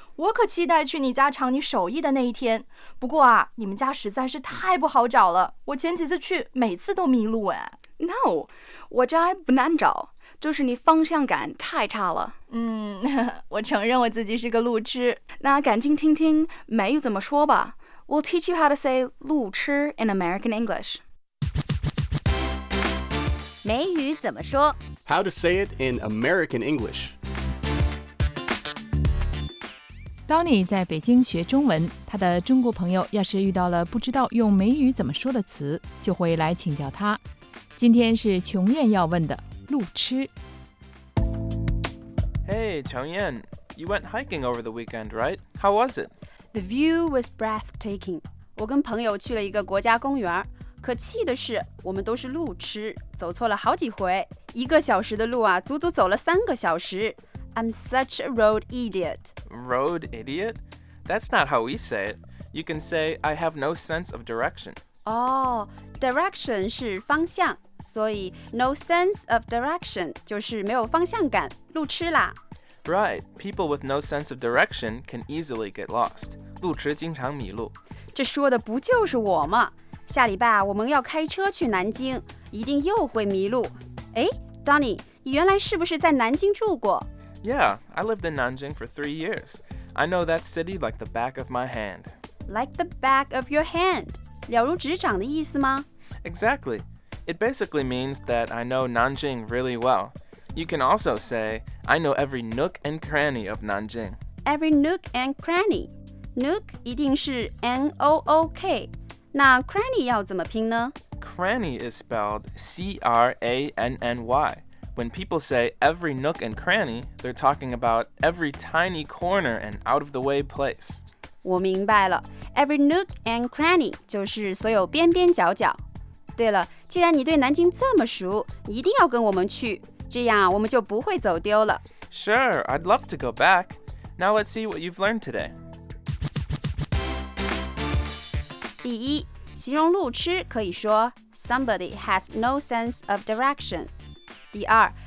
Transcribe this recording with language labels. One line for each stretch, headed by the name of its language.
Chinese: 我可期待去你家尝你手艺的那一天。不过啊，你们家实在是太不好找了。我前几次去，每次都迷路哎。 No, 我家不难找，就是你方向感太差了。我承认我自己是个路痴。那赶紧听听美语怎么说吧。
English: We'll teach you how to say 路痴 in American English.
Chinese: 美语怎么说
English: How to say it in American English.
Chinese: 当你在北京学中文，他的中国朋友要是遇到了不知道用美语怎么说的词，就会来请教他。今天是琼艳要问的路痴。
English: Hey, 琼艳 you went hiking over the weekend, right? How was it? The view was breathtaking.
Chinese: 我跟朋友去了一个国家公园。可气的是我们都是路痴走错了好几回一个小时的路啊足足走了三个小时
English: I'm such a road idiot Road idiot? That's not how we say it You can say I have no sense of direction
Chinese: 哦、oh, direction 是方向所以
English: no sense of direction
Chinese: 就是没有方向感路痴啦
English: Right, people with no sense of direction can easily get lost
Chinese: 路痴经常迷路这说的不就是我吗下礼拜啊，我们要开车去南京，一定又会迷路。哎 ，Donny， 你原来是不是在南京住过
English: ？Yeah, I lived in Nanjing for 3 years. I know that city like the back of my hand. Like the back of your hand，
Chinese: 了如指掌的意思吗
English: ？Exactly. It basically means that I know Nanjing really well. You can also say I know every nook and cranny of Nanjing. Every nook and cranny. Nook
Chinese: 一定是
English: N-O-O-K。
Chinese: 那 cranny 要怎么拼呢
English: ？Cranny is spelled C-R-A-N-N-Y. When people say every nook and cranny, they're talking about every tiny corner and out-of-the-way place.
Chinese: 我明白了 ，
English: every nook and cranny
Chinese: 就是所有边边角角。对了，既然你对南京这么熟，你一定要跟我们去，这样我们就不会走丢了。
English: Sure, I'd love to go back. Now let's see what you've learned today.
Chinese: 第一，形容路痴可以说
English: somebody has no sense of direction。
Chinese: 第二，